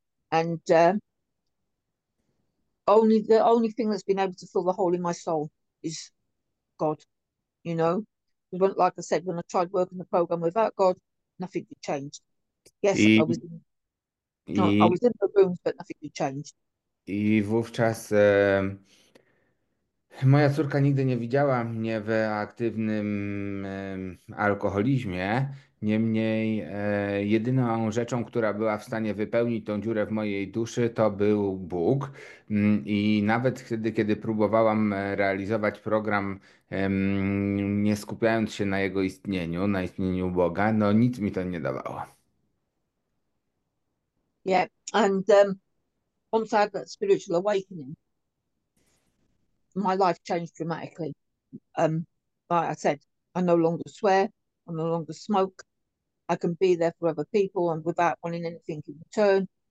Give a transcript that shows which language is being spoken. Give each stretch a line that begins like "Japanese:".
English: And the only thing that's been able to fill the hole in my soul is God, you know? When, like I said, when I tried working the program without God, nothing had changed. Yes, I was in the rooms, but nothing had changed.
Polish: I wówczas moja córka nigdy nie widziała mnie w aktywnym alkoholizmie. Niemniej jedyną rzeczą, która była w stanie wypełnić tą dziurę w mojej duszy, to był Bóg. I nawet wtedy, kiedy próbowałam realizować program, nie skupiając się na jego istnieniu, na istnieniu Boga, no nic mi to nie dawało.
English: Yeah, and once I had that spiritual awakening, my life changed dramatically. Like I said, I no longer swear, I no longer smoke, I can be there for other people and without wanting anything in return.